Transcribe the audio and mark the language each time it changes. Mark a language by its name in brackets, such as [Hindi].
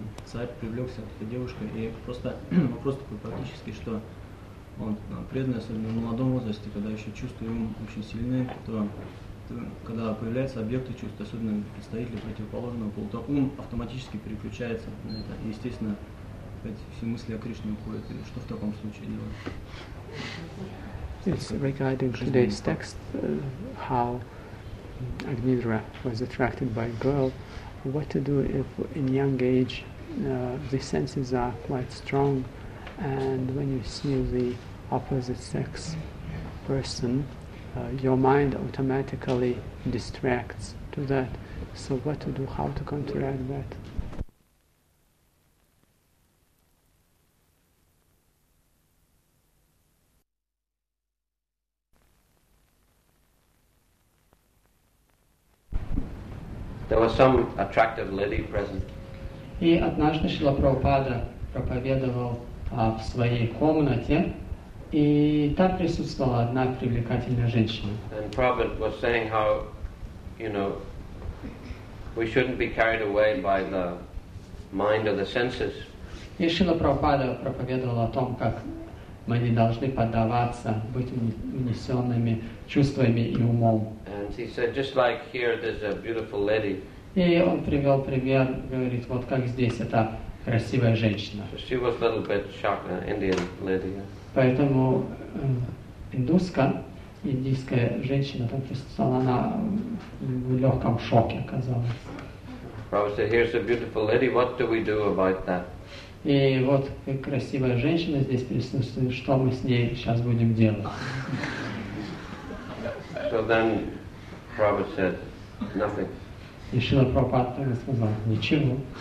[Russian] Царь привлекся к этой девушке, и просто вопрос такой практический, что он преданный, особенно в молодом возрасте, когда еще чувства ему очень сильны, то когда появляются объекты чувств, особенно представители противоположного пола, то ум автоматически переключается на это, и, естественно, опять все мысли о Кришне уходят. И что в таком случае делать? [English] It's regarding today's text, how Agnidra was attracted by a girl. What to do if in young age the senses are quite strong, and when you see the opposite sex person, your mind automatically distracts to that. So what to do, how to counteract that? There was some attractive lady present. [Russian] И однажды Шрила Прабхупада проповедовал в своей комнате, и там присутствовала одна привлекательная женщина. [English] And Prabhupada was saying how, you know, we shouldn't be carried away by the mind or the senses. [Russian] И Шрила Прабхупада проповедовал о том, как мы не должны поддаваться, быть унесенными чувствами и умом. [English] And he said, just like here, there's a beautiful lady. [Russian] И он привел пример, говорит, вот как здесь эта красивая женщина. [English] So she was a little bit shocked, an Indian lady. Yeah. [Russian] Поэтому индийская женщина там присутствовала, она в легком шоке оказалась. [English] Prabhupada said, here's a beautiful lady, what do we do about that? [Russian] И вот красивая женщина здесь присутствует, что мы с ней сейчас будем делать? [English] So then Prabhupada said nothing. [Russian] И Шрила Прабхупада сказал, ничего.